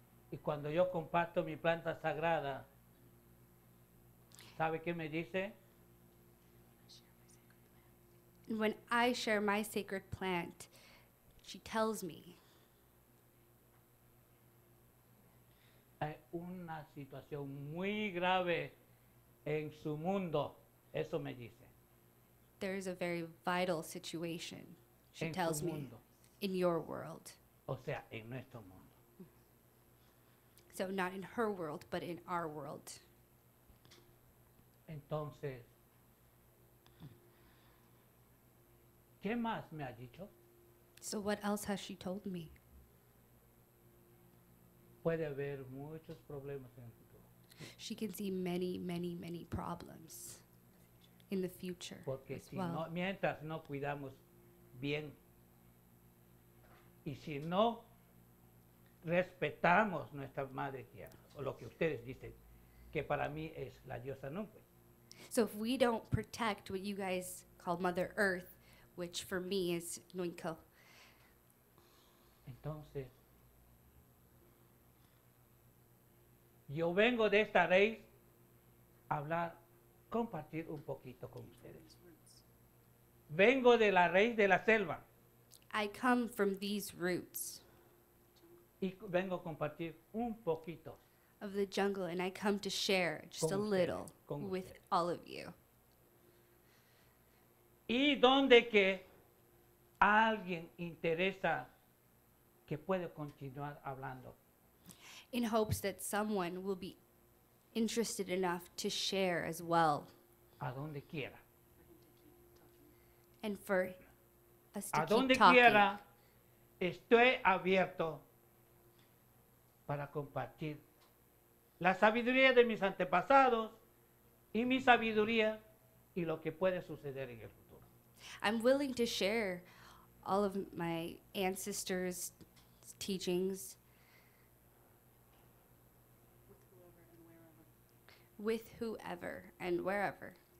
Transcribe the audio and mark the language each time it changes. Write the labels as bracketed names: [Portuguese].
[Spanish] Y cuando yo comparto mi planta sagrada, ¿sabe qué me dice? [English] When I share my sacred plant, she tells me. [Spanish] Hay una situación muy grave en su mundo. Eso me dice. [English] There is a very vital situation, she tells me, in your world. [Spanish] O sea, en nuestro mundo. [English] So not in her world, but in our world. [Spanish] Entonces, ¿qué más me ha dicho? [English] So what else has she told me? [Spanish] Puede haber muchos problemas en el futuro. [English] She can see many, many, many problems in the future. [Spanish] Porque [English] as [Spanish] si [English] well. [Spanish] No, mientras no cuidamos bien y si no respetamos nuestra madre tierra, o lo que ustedes dicen, que para mí es la diosa nube. [English] So if we don't protect what you guys call Mother Earth, which for me is Nuenco. [Spanish] Entonces, yo vengo de esta raíz a hablar, compartir un poquito con ustedes. Vengo de la raíz de la selva. [English] I come from these roots. [Spanish] Y vengo a compartir un poquito. [English] Of the jungle, and I come to share just a little with all of you. [Spanish] Y donde que alguien interesa que puede continuar hablando. [English] In hopes that someone will be interested enough to share as well. [Spanish] A donde quiera. [English] And for us to [Spanish] a donde [English] keep [Spanish] quiera, [English] talking. [Spanish] Estoy abierto para compartir la sabiduría de mis antepasados y mi sabiduría y lo que puede suceder en el futuro. [English] I'm willing to share all of my ancestors' teachings with whoever and wherever.